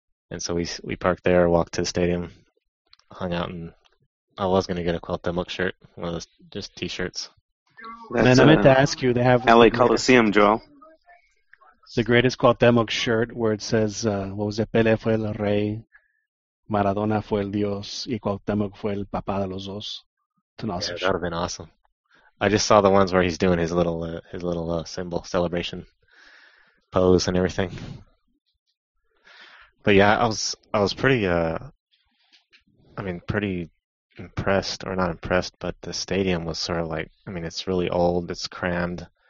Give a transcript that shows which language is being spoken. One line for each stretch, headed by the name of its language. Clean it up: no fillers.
English: And so we parked there, walked to the stadium, hung out, and I was gonna get a Quilta Milk shirt, one of those just T-shirts. That's, and then I meant to ask you, they have LA Coliseum, Joel. The greatest Cuauhtémoc shirt where it says, what was it?
Spanish: Pelé fue el rey, Maradona fue el dios, y Cuauhtémoc fue el papá de los dos.
English: It's an awesome shirt. That would have been awesome. I just saw the ones where he's doing his little symbol celebration pose and everything. But yeah, I was pretty impressed, or not impressed, but the stadium was sort of like, I mean, it's really old, it's crammed,